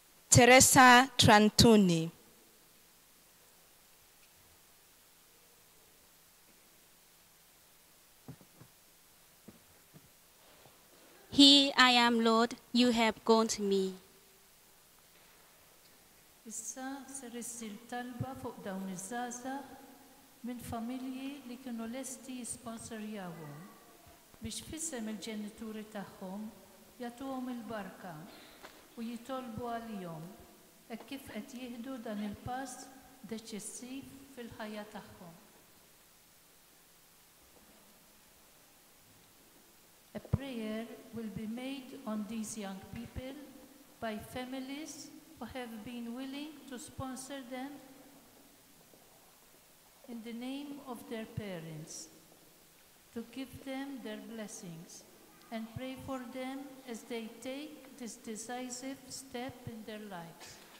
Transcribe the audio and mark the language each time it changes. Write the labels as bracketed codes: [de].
[en] Teresa Tran Thu Nhi. Here I am, Lord, you have called me. [mt] Issa sirissi l-talba fuq dawn iż-żgħażagħ minn familji li kienu lesti jisponsor jawhom biex f'isem il-ġenituri tagħhom jagħtuhom il-barka u jitolbu għalihom hekk kif qed jieħdu dan il-pass deċissiv fil-ħajja tagħhom. [en] A prayer will be made on these young people by families who have been willing to sponsor them in the name of their parents, to give them their blessings and pray for them as they take this decisive step in their lives.